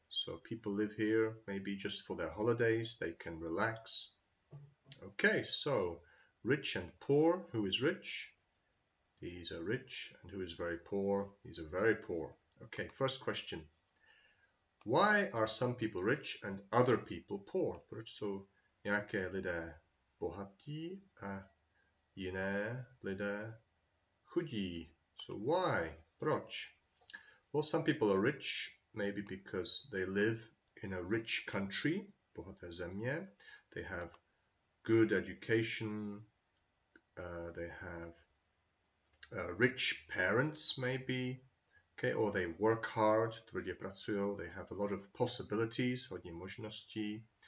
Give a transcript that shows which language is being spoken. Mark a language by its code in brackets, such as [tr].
[en] So people live here maybe just for their holidays, they can relax. Okay, so rich and poor, who is rich? These are rich, and who is very poor? These are very poor. Okay, first question. Why are some people rich and other people poor? [cs] Proč jsou nějaké lidé bohatí a jiné lidé chudí? [en] So why? [cs] Proč? [en] Well, some people are rich, maybe because they live in a rich country, [cs] bohaté země. [en] They have good education. They have rich parents, maybe, okay, or they work hard, [cs] tvrdě pracujou, [en] they have a lot of possibilities, [cs] hodně možností.